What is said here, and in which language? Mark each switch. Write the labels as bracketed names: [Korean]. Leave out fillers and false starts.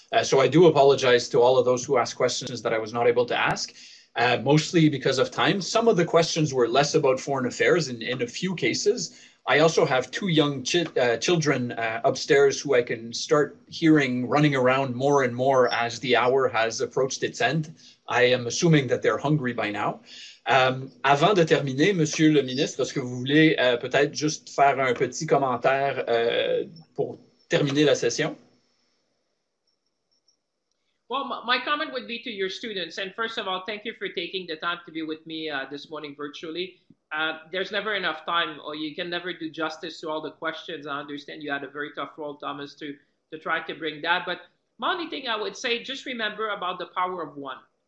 [English] So I do apologize to all of those who asked questions that I was not able to ask, mostly because of time. Some of the questions were less about foreign affairs in a few cases. I also have two young children upstairs who I can start hearing running around more and more as the hour has approached its end. I am assuming that they're hungry by now. [French] Avant de terminer, Monsieur le ministre, est-ce que vous voulez peut-être juste faire un petit commentaire pour terminer la session? [English] Well, my comment would be to your students. And first of all, thank you for taking the time to be with me this morning virtually. There's never enough time, or you can never do justice to all the questions. I understand you had a very tough role, Thomas, to try to bring that. But my only thing I would say, just remember about the power of one.